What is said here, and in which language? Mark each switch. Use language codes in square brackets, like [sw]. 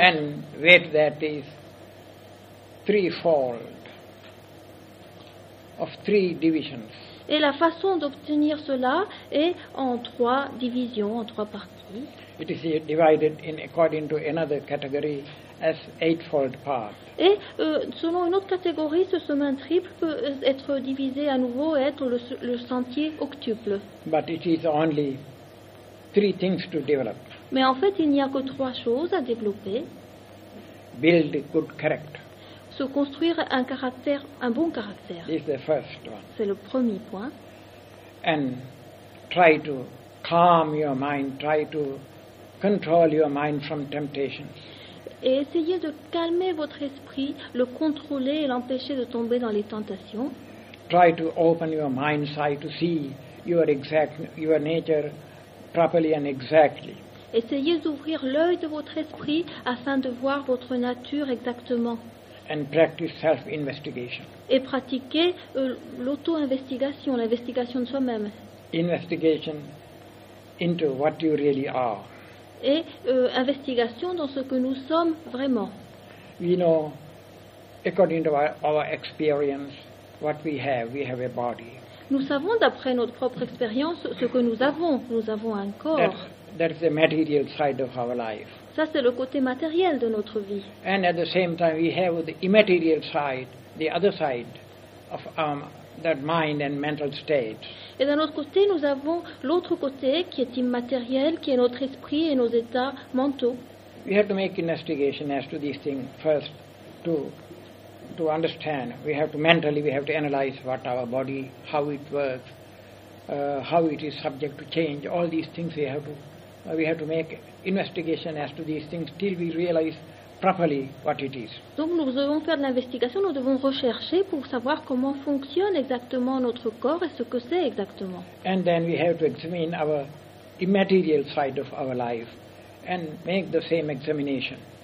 [en] And with that is threefold of three divisions. [fr] Et la façon d'obtenir cela est en trois divisions, en trois parties. [en] It is divided in according to another category as eightfold path. [fr] Et selon une autre catégorie, ce chemin triple peut être divisé à nouveau et être le sentier octuple. [en] But it is only three things to develop. [fr] Mais en fait, il n'y a que trois choses à développer. [en] Build good character. [fr] Se construire un caractère, un bon caractère. [en] This is the first one. [fr] C'est le premier point. [en] And try to calm your mind, try to control your mind from temptations. [fr] Et essayez de calmer votre esprit, le contrôler et l'empêcher de tomber dans les tentations. [en] Try to open your mind's eye to see your nature properly and exactly. [fr] Essayez d'ouvrir l'œil de votre esprit afin de voir votre nature exactement. [en] And practice self-investigation. [fr] Et pratiquez l'auto-investigation, l'investigation de soi-même. [en] Investigation into what you really are. [fr] Et investigation dans ce que nous sommes vraiment. [en] We know, according to our experience, what we have a body. [fr] Nous savons d'après notre propre expérience ce que nous avons un corps. [en] That's the material side of our life. [fr] Ça c'est le côté matériel de notre vie. [en] And at the same time, we have the immaterial side, the other side of that mind and mental state. [fr] Et d'un autre côté, nous avons l'autre côté qui est immatériel, qui est notre esprit et nos états mentaux. [en] We have to make investigation as to these things first to understand. We have to mentally, we have to analyze what our body, how it works, how it is subject to change. All these things we have to make investigation as to these things till we realize properly what it is. [fr] Donc nous devons faire de l'investigation, nous devons rechercher pour savoir comment fonctionne exactement notre corps et ce que c'est exactement. [en] And then we have to examine our immaterial side of our life and make the same examination.